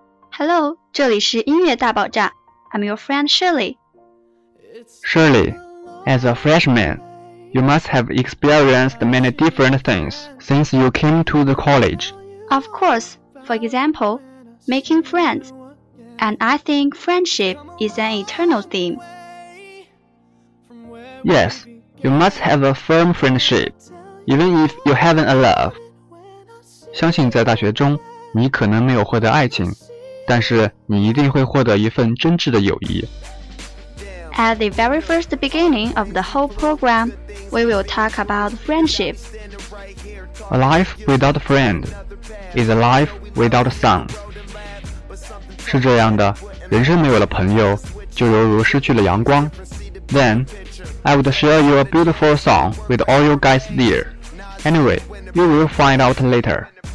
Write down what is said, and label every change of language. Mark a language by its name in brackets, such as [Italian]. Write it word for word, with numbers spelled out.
[Chinese] Hello, 这里是音乐大爆炸。 [English] I'm your friend Shirley. Shirley, as a freshman, you must have experienced many different things since you came to the college. Of course, for example, making friends. And I think friendship is an eternal theme. Yes, you must have a firm friendship, even if you haven't a love. [Chinese] 相信在大学中，你可能没有获得爱情，但是你一定会获得一份真挚的友谊。 [English] At the very first beginning of the whole program, we will talk about friendship. A life without a friend is a life without a song. [Chinese] 是这样的，人生没有了朋友，就犹如失去了阳光。 [English] Then, I would share you a beautiful song with all you guys there. Anyway, you will find out later.